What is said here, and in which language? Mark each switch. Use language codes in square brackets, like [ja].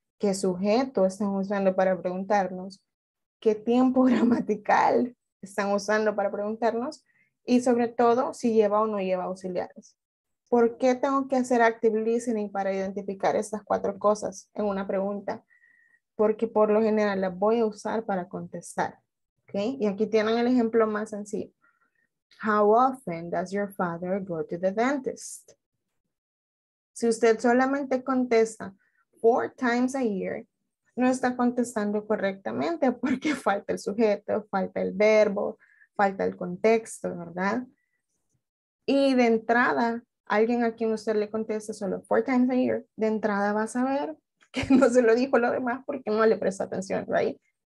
[es] ¿Qué sujeto están usando para preguntarnos? ¿Qué tiempo gramatical están usando para preguntarnos? Y sobre todo, si lleva o no lleva auxiliares. ¿Por qué tengo que hacer [en] active listening [es] para identificar estas cuatro cosas en una pregunta? Porque por lo general las voy a usar para contestar. ¿Okay? Y aquí tienen el ejemplo más sencillo. [en] How often does your father go to the dentist? [es] Si usted solamente contesta [en] 4 times a year, [es] no está contestando correctamente porque falta el sujeto, falta el verbo, falta el contexto, ¿verdad? Y de entrada, alguien a quien usted le conteste solo [en] 4 times a year, [es] de entrada va a saber que no se lo dijo lo demás porque no le prestó atención, [en] ¿right?